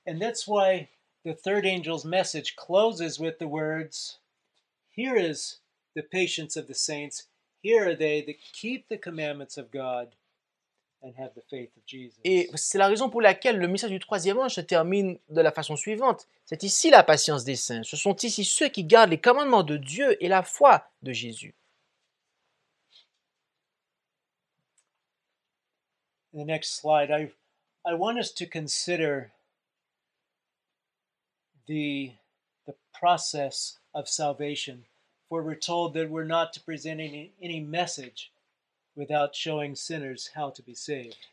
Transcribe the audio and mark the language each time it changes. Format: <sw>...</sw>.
<en>And that's why the third angel's message closes with the words, here is the patience of the saints, here are they that keep the commandments of God and have the faith of Jesus.</en> <fr>Et c'est la raison pour laquelle le message du troisième ange se termine de la façon suivante. C'est ici la patience des saints. Ce sont ici ceux qui gardent les commandements de Dieu et la foi de Jésus.</fr> <en>In the next slide, I want us to consider the process of salvation, for we're told that we're not to present any message without showing sinners how to be saved.</en>